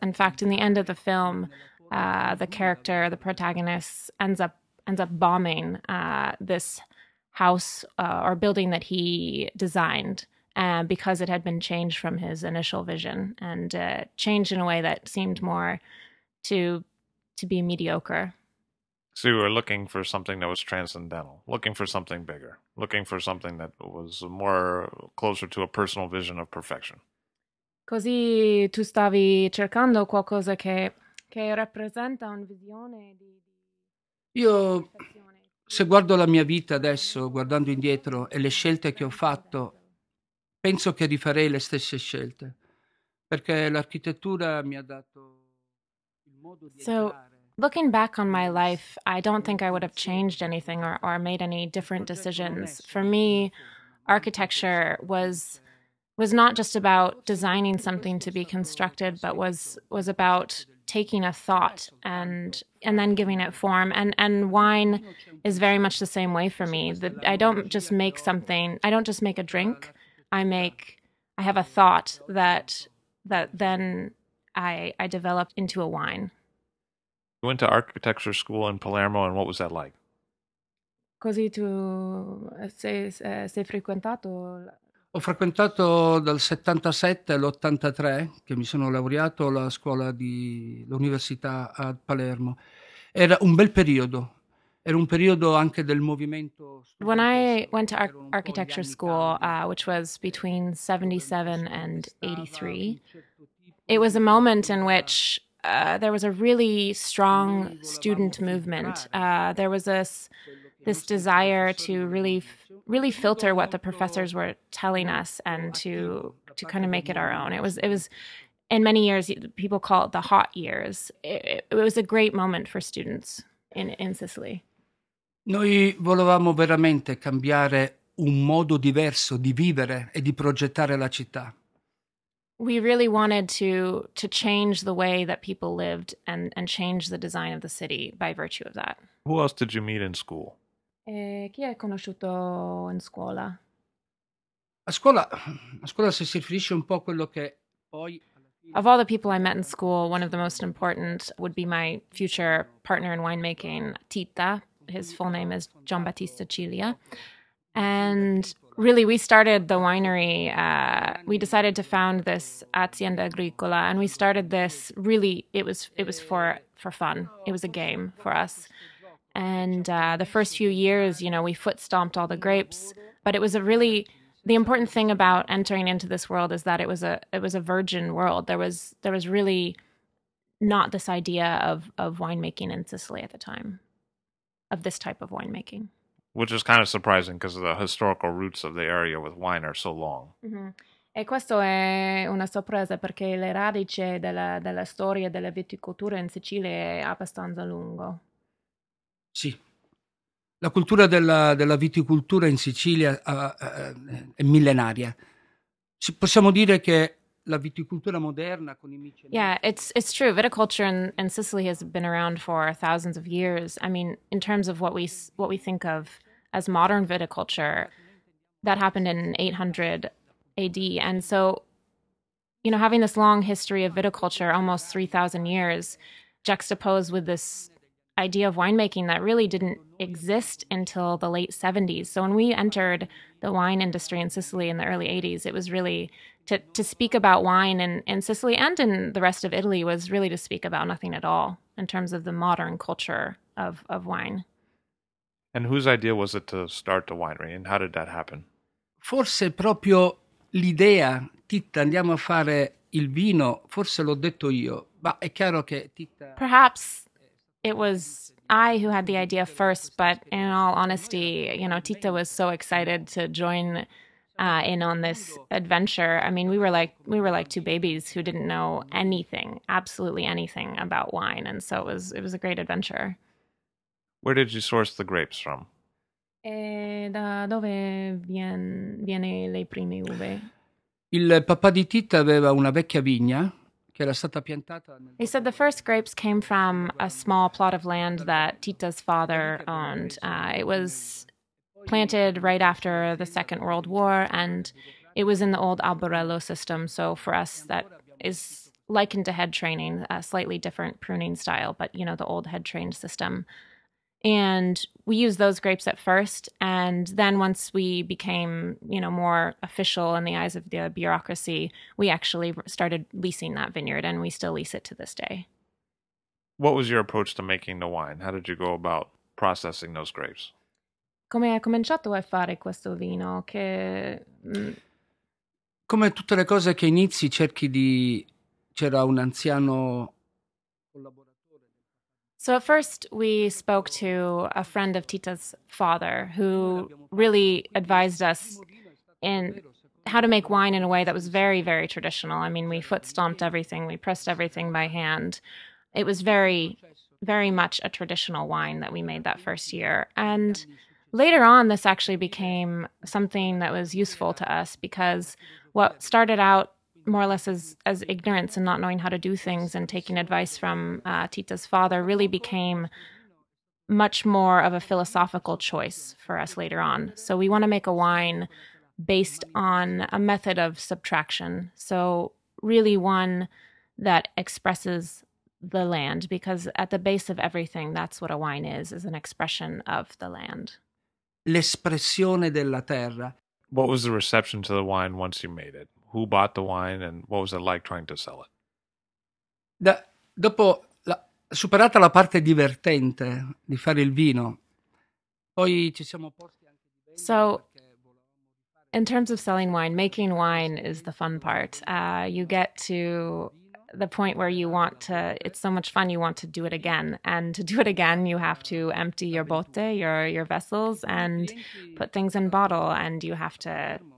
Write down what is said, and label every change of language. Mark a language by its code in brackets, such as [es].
[en] In fact, in the end of the film, the character, the protagonist, ends up bombing this house or building that he designed because it had been changed from his initial vision and changed in a way that seemed more to be mediocre. So you were looking for something that was transcendental, looking for something bigger, looking for something that was more closer to a personal vision of perfection. [it] Così tu stavi cercando qualcosa che rappresenta una visione di. Io, se guardo la mia vita adesso, guardando indietro e le scelte che ho fatto, penso che rifarei le stesse scelte, perché l'architettura mi ha dato il modo di entrare. [en] Looking back on my life, I don't think I would have changed anything or made any different decisions. For me, architecture was not just about designing something to be constructed, but was about taking a thought and then giving it form. And wine is very much the same way for me. I don't just make a drink. I have a thought that then I develop into a wine. You went to architecture school in Palermo, and what was that like? [it] Così tu sei frequentato. Ho frequentato dal 77 all'83 che mi sono laureato alla scuola di l'università a Palermo. Era un bel periodo. Era un periodo anche del movimento. [en] When I went to architecture school, which was between 77 and 83, it was a moment in which. There was a really strong student movement. There was this desire to really filter what the professors were telling us and to to kind of make it our own. It was in many years, people call it the hot years. It was a great moment for students in Sicily. [it] Noi volevamo veramente cambiare un modo diverso di vivere e di progettare la città. [en] We really wanted to change the way that people lived and change the design of the city by virtue of that. Who else did you meet in school? [it] Chi hai conosciuto in scuola? A scuola si riferisce un po' a quello che poi... [en] Of all the people I met in school, one of the most important would be my future partner in winemaking, Tita. His full name is Giambattista Cilia. And really, we started the winery. We decided to found this Azienda Agricola, and we started this really, it was for fun. It was a game for us. And the first few years, you know, we foot stomped all the grapes, but it was a really... The important thing about entering into this world is that it was a virgin world. There was really not this idea of winemaking in Sicily at the time, of this type of winemaking. Which is kind of surprising because of the historical roots of the area with wine are so long. Mm-hmm. [it] E questo è una sorpresa perché le radici della storia della viticoltura in Sicilia è abbastanza lungo. Sì. La cultura della viticoltura in Sicilia è millenaria. Possiamo dire che la viticoltura moderna con i miceli. [en] Yeah, it's true. Viticulture in Sicily has been around for thousands of years. I mean, in terms of what we think of as modern viticulture, that happened in 800 AD. And so, you know, having this long history of viticulture, almost 3,000 years, juxtaposed with this idea of winemaking that really didn't exist until the late 70s. So when we entered the wine industry in Sicily in the early 80s, it was really to speak about wine in Sicily and in the rest of Italy was really to speak about nothing at all in terms of the modern culture of wine. And whose idea was it to start the winery and how did that happen? [it] Forse proprio l'idea, Titta, andiamo a fare il vino, forse l'ho detto io, ma è chiaro che Titta... [en] Perhaps it was I who had the idea first, but in all honesty, you know, Tita was so excited to join in on this adventure. I mean, we were like two babies who didn't know anything, absolutely anything about wine, and so it was a great adventure. Where did you source the grapes from? [it] E da dove viene le prime uve? Il papà di Tita aveva una vecchia vigna. Che era stata piantata nel... [en] He said the first grapes came from a small plot of land that Tita's father owned. It was planted right after the Second World War, and it was in the old Alborello system. So for us, that is likened to head training, a slightly different pruning style, but, you know, the old head trained system. And we used those grapes at first, and then once we became, you know, more official in the eyes of the bureaucracy, we actually started leasing that vineyard, and we still lease it to this day. What was your approach to making the wine? How did you go about processing those grapes? [it] Come hai cominciato a fare questo vino? Che come tutte le cose che inizi, cerchi di... C'era un anziano... [en] So at first we spoke to a friend of Tita's father who really advised us in how to make wine in a way that was very, very traditional. I mean, we foot stomped everything, we pressed everything by hand. It was very, very much a traditional wine that we made that first year. And later on, this actually became something that was useful to us because what started out more or less as ignorance and not knowing how to do things and taking advice from Tita's father really became much more of a philosophical choice for us later on. So we want to make a wine based on a method of subtraction. So really one that expresses the land, because at the base of everything, that's what a wine is an expression of the land. [it] L'espressione della terra. [en] What was the reception to the wine once you made it? Who bought the wine and what was it like trying to sell it? [it] Dopo superata la parte divertente di fare il vino, poi ci siamo posti anche di vendere. [en] So, in terms of selling wine, making wine is the fun part. You get to the point where you want to, it's so much fun, you want to do it again. And to do it again, you have to empty your botte, your vessels, and put things in bottle, and you have to